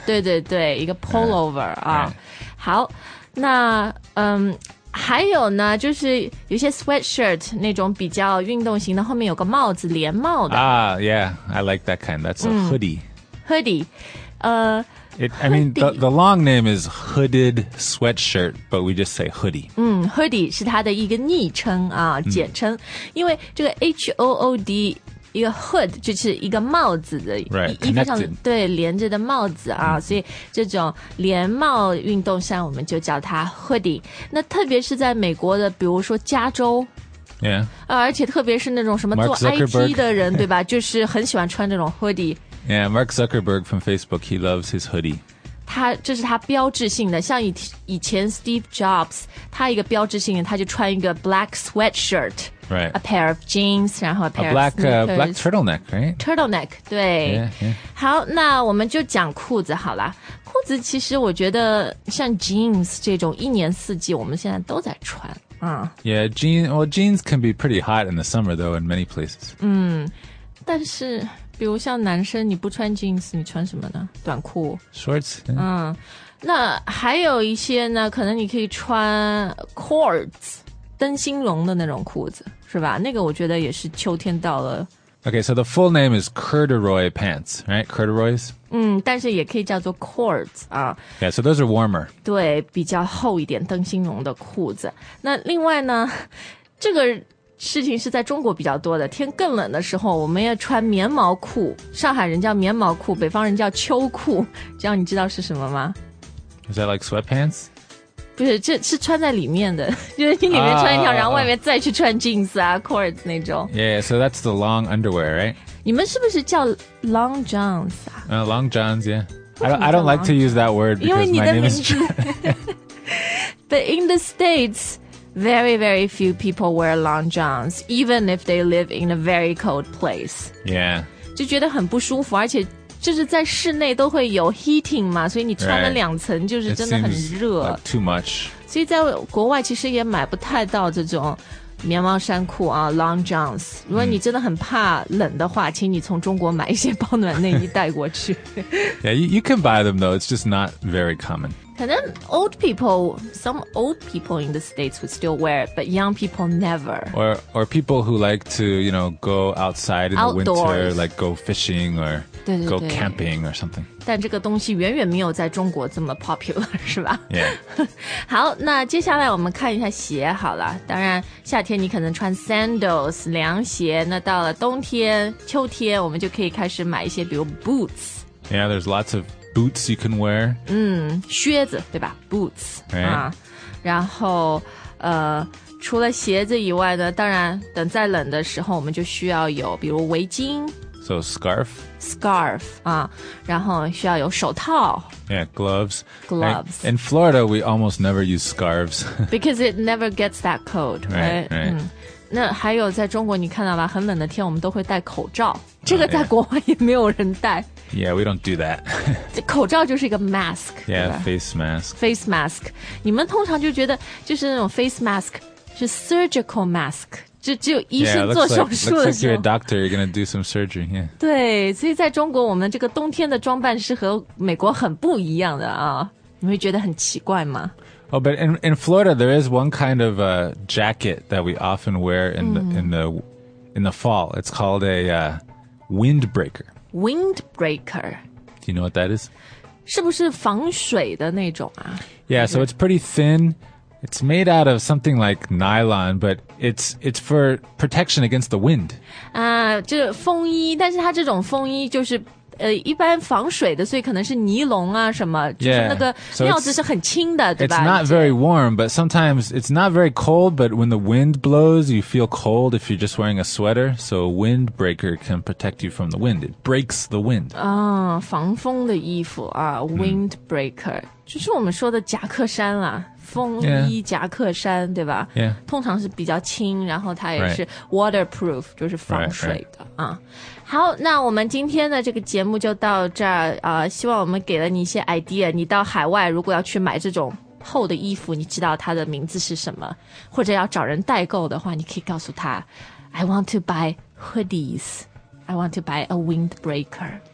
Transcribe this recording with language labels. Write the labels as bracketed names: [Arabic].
[Chinese] 对对对，一个 pullover、好，那还有呢，就是有些 sweatshirt 那种比较运动型的，后面有个帽子，连帽的。 [English] Yeah, I like that kind. That's a hoodie. Hoodie. I mean, the long name is hooded sweatshirt, but we just say hoodie. [Chinese] Hoodie 是它的一个昵称啊，简称。因为这个 H-O-O-D, 一个 hood 就是一个帽子的。 [English] Right, connected. [Chinese] 对，连着的帽子啊。所以这种连帽运动衫我们就叫它 hoodie。那特别是在美国的，比如说加州。 [English] Yeah. [Chinese] 而且特别是那种什么做 IT 的人，对吧，就是很喜欢穿这种 hoodie。 [English] Yeah, Mark Zuckerberg from Facebook, he loves his hoodie. [Chinese] 他这是他标志性的，像以前 Steve Jobs, 他一个标志性的，他就穿一个 black sweatshirt, [English] right? A pair of jeans, 然后 a black sneakers,、 black turtleneck, right? [Chinese] Turtleneck, 对。 [English] Yeah, [Chinese] yeah. 好，那我们就讲裤子好了。裤子其实我觉得像 jeans 这种一年四季我们现在都在穿。 [English] Yeah, jeans can be pretty hot in the summer though in many places. [Chinese] 但是比如像男生你不穿 jeans 你穿什么呢，短裤 [English] shorts、 [Chinese] 那还有一些呢可能你可以穿 cords 灯芯绒的那种裤子是吧，那个我觉得也是秋天到了。 [English] OK, so the full name is corduroy pants, right? Corduroys? [Chinese] 但是也可以叫做 cords、 [English] Yeah, so those are warmer. [Chinese] 对，比较厚一点灯芯绒的裤子。那另外呢，这个事情是在中国比较多的，天更冷的时候我们要穿棉毛裤，上海人叫棉毛裤，北方人叫秋裤，这样你知道是什么吗？ [English] Is that like sweatpants? [Chinese] 不是，这是穿在里面的，就是你里面穿一条、然后外面再去穿 jeans 啊 cords 那种。 [English] Yeah, so that's the long underwear, right? [Chinese] 你们是不是叫 long johns 啊、 [English] long johns, yeah. I don't like to use that word because [Chinese] 因为你的 [English] 名字 my name is But in the States,very, very few people wear long johns, even if they live in a very cold place. Yeah. [Chinese] 就觉得很不舒服，而且就是在室内都会有 heating 嘛，所以你穿了两层就是真的很热。 [English] Right. It seems like too much. [Chinese] 所以在国外其实也买不太到这种棉毛衫裤啊 ，long johns。如果你真的很怕冷的话，请你从中国买一些保暖内衣带过去。 [English] Yeah, you can buy them though. It's just not very common. 可能 old people, some old people in the States would still wear it, but young people never. Or people who like to, you know, go outside in the winter, like go fishing or go camping or something. [Chinese] 但这个东西远远没有在中国这么 popular, 是吧 [English] ？Yeah. [Chinese] 好，那接下来我们看一下鞋好了。当然，夏天你可能穿 sandals 凉鞋，那到了冬天、秋天，我们就可以开始买一些，比如 boots. [English] Yeah, there's lots of boots you can wear. [Chinese] 嗯，靴子对吧 ？Boots、 [English] right. [Chinese] 啊，然后除了鞋子以外呢，当然等再冷的时候，我们就需要有比如围巾。 [English] So scarf. [Chinese] Scarf, 啊，然后需要有手套。 [English] Yeah, gloves. Gloves. In Florida, we almost never use scarves. Because it never gets that cold, right? [Chinese] right.、嗯、那还有在中国你看到吧，很冷的天我们都会戴口罩。这个在国外也没有人戴。 [English] Yeah, we don't do that. [Chinese] 口罩就是一个 mask. [English] Yeah, face mask. Face mask. [Chinese] 你们通常就觉得就是那种 face mask, 是 surgical mask. 就只有医生做手术的时候。 [English] Yeah, looks like you're a doctor, you're going to do some surgery, yeah. [Chinese] 对，所以在中国我们这个冬天的装扮是和美国很不一样的啊。你会觉得很奇怪吗？ [English] Oh, but in Florida, there is one kind of jacket that we often wear in the fall. It's called a windbreaker. Windbreaker. Do you know what that is? [Chinese] 是不是防水的那种啊？ [English] Yeah, so it's pretty thin. It's made out of something like nylon, but it's for protection against the wind. [Chinese] 啊，这风衣，但是它这种风衣就是一般防水的，所以可能是尼龙啊什么，就是那个料子是很轻的，对吧？ [English] It's not very warm, but sometimes it's not very cold, but when the wind blows, you feel cold if you're just wearing a sweater. So a windbreaker can protect you from the wind. It breaks the wind. [Chinese] 啊，防风的衣服啊 ，windbreaker，就是我们说的夹克衫啦。风衣夹克衫、 [English] yeah. [Chinese] 对吧、 [English] yeah. [Chinese] 通常是比较轻然后它也是 waterproof、 [English] right. [Chinese] 就是防水的 [English] right, right. 啊。 [Chinese] 好那我们今天的这个节目就到这儿、希望我们给了你一些 idea 你到海外如果要去买这种厚的衣服你知道它的名字是什么或者要找人代购的话你可以告诉他 [English] I want to buy hoodies I want to buy a windbreaker